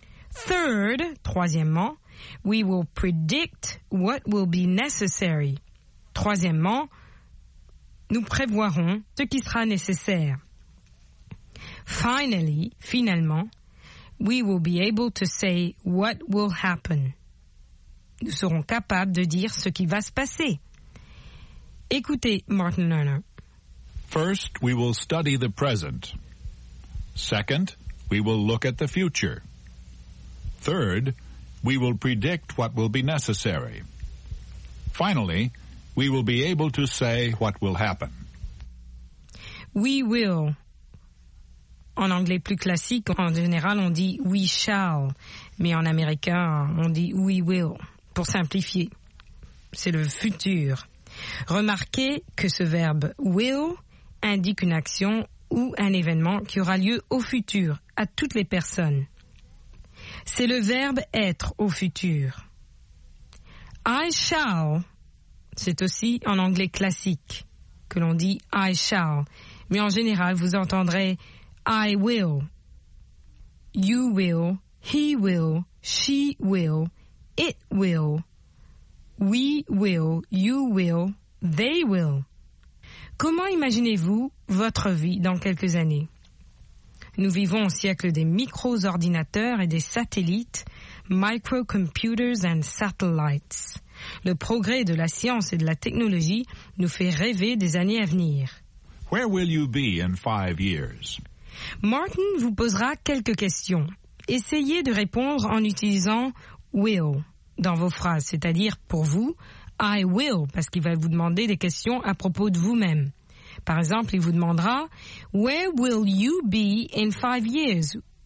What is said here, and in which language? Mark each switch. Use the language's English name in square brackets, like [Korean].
[English] Third, [French] troisièmement, « [English] we will predict what will be necessary. [French] » Troisièmement, « nous prévoirons ce qui sera nécessaire. » [English] Finally, [French] finalement, « [English] we will be able to say what will happen. [French] » Nous serons capables de dire ce qui va se passer. Écoutez Martin Lerner. [English] First, we will study the present. Second, we will look at the future. Third, we will predict what will be necessary. Finally, we will be able to say what will happen. We will. [French] En anglais plus classique, en général, on dit we shall. Mais en américain, on dit we will. Pour simplifier, c'est le futur. Remarquez que ce verbe « will » indique une action ou un événement qui aura lieu au futur, à toutes les personnes. C'est le verbe « être » au futur. « I shall », c'est aussi en anglais classique que l'on dit « I shall », mais en général, vous entendrez « I will »,« you will »,« he will », »,« she will », [English] It will, we will, you will, they will. [French] Comment imaginez-vous votre vie dans quelques années? Nous vivons au siècle des micro-ordinateurs et des satellites, [English] microcomputers and satellites. [French] Le progrès de la science et de la technologie nous fait rêver des années à venir. [English] Where will you be in 5 years? [French] Martin vous posera quelques questions. Essayez de répondre en utilisant will. Dans vos phrases, c'est-à-dire pour vous, I will, parce qu'il va vous demander des questions à propos de vous-même. Par exemple, il vous demandera, [English] Where will you be in 5 years?